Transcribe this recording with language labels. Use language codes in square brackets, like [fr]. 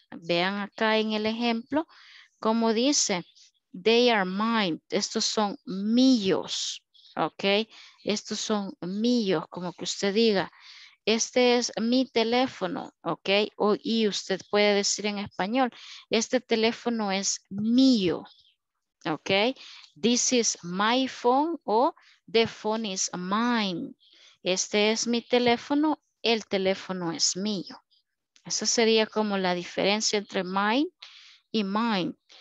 [es] Vean acá en el ejemplo, como dice, [en] they are mind. [es] Estos son míos, ¿ok? Estos son míos, como que usted diga, este es mi teléfono, ¿ok? O, y usted puede decir en español, este teléfono es mío, ¿ok? [en] This is my phone o the phone is mine. [es] Este es mi teléfono, el teléfono es mío. Esa sería como la diferencia entre mine y mine.